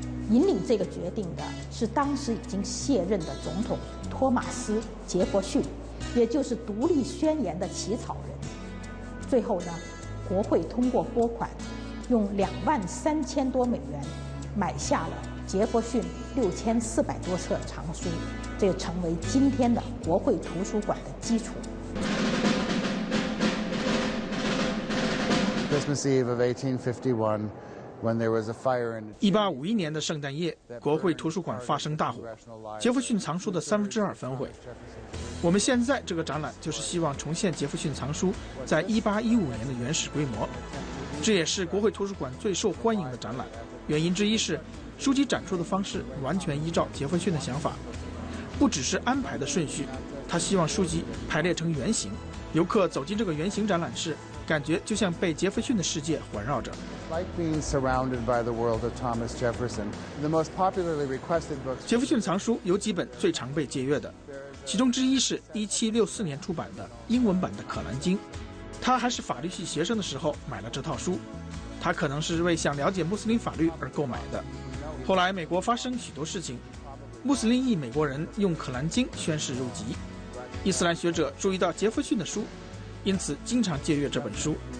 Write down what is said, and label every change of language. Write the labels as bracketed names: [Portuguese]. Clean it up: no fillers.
[Chinese] 引领这个决定的是当时已经卸任的总统托马斯·杰弗逊，也就是独立宣言的起草人。最后呢，国会通过拨款，用23000多美元买下了杰弗逊6400多册藏书，这成为今天的国会图书馆的基础。 [English] Christmas Eve of 1851, when there was a fire in. [Chinese] 1851年的圣诞夜，国会图书馆发生大火，杰弗逊藏书的2/3焚毁。我们现在这个展览就是希望重现杰弗逊藏书在1815年的原始规模，这也是国会图书馆最受欢迎的展览。原因之一是，书籍展出的方式完全依照杰弗逊的想法，不只是安排的顺序，他希望书籍排列成圆形。游客走进这个圆形展览室，感觉就像被杰弗逊的世界环绕着。 [English] Like being surrounded by the world of Thomas Jefferson, the most popularly requested books. [Chinese] 杰弗逊藏书有几本最常被借阅的，其中之一是1764年出版的英文版的《可兰经》。他还是法律系学生的时候买了这套书，他可能是为想了解穆斯林法律而购买的。后来美国发生许多事情，穆斯林裔美国人用《可兰经》宣誓入籍，伊斯兰学者注意到杰弗逊的书，因此经常借阅这本书。